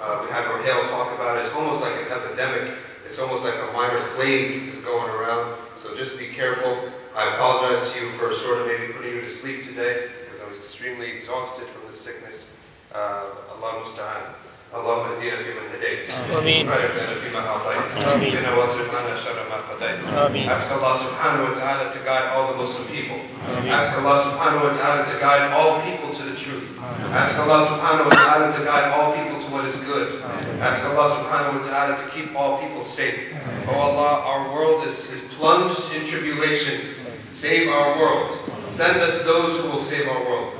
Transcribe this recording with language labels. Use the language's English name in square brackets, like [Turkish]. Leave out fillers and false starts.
[English] We had Rahel talk about it. It's almost like an epidemic. It's almost like a minor plague is going around. So just be careful. I apologize to you for sort of maybe putting you to sleep today, because I was extremely exhausted from the sickness. [Arabic] Allah musta'an. اللهم اهدنا فيمن هديت وعافنا فيمن عافيت وجنا واصرفنا شر ما قضيت اسك الله سبحانه وتعالى [English] to guide all the Muslim people. Ask Allah subhanahu wa ta'ala to guide all people to the truth. Ask Allah subhanahu wa ta'ala to guide all people to what is good. Ask Allah subhanahu wa ta'ala to keep all people safe. Oh Allah, our world is plunged in tribulation. Save our world. Send us those who will save our world.